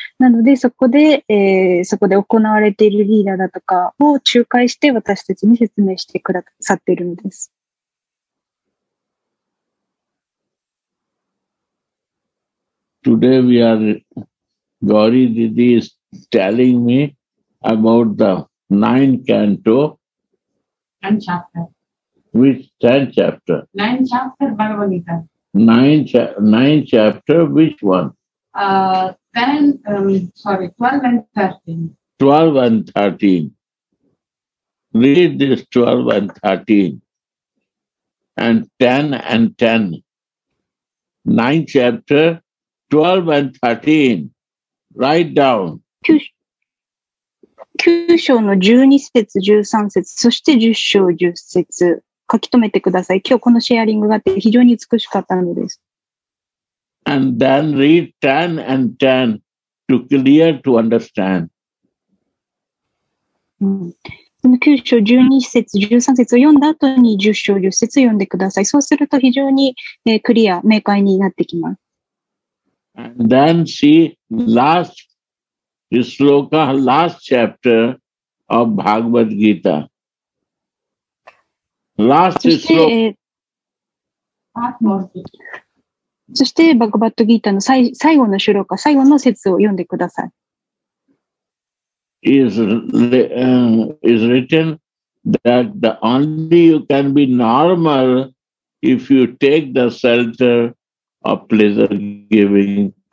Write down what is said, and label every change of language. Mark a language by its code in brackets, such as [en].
[ja] なので、そこで、そこで行われているリーダーだとかを仲介して私たちに説明してくださっているんです。 [en] Today we are, Gauri Didi is telling me about the 9th canto. 10th chapter. Which 10th chapter? 9th chapter, Bhagavad Gita. 9th chapter, which one? 12 and 13. 12 and 13. Read this 12 and 13. And 10 and 10. 9th chapter, 12 and 13. Write down. [ja] 9章の12節、13節、そして10章10節。書き留めてください。今日このシェアリングがあって非常に美しかったのです。 [en] And then read 10 and 10 to clear to understand. [ja] この9章12節13節を読んだ後に10章10節を読んでください。そうすると非常に、クリア、明快になってきます。 [en] And then see last sloka, last chapter of Bhagavad Gita. Last sloka. [ja] そして、バグバットギータの最後の sloka、最後の節を読んでください。 [en] Is written that the only you can be normal if you take the shelter of pleasure-giving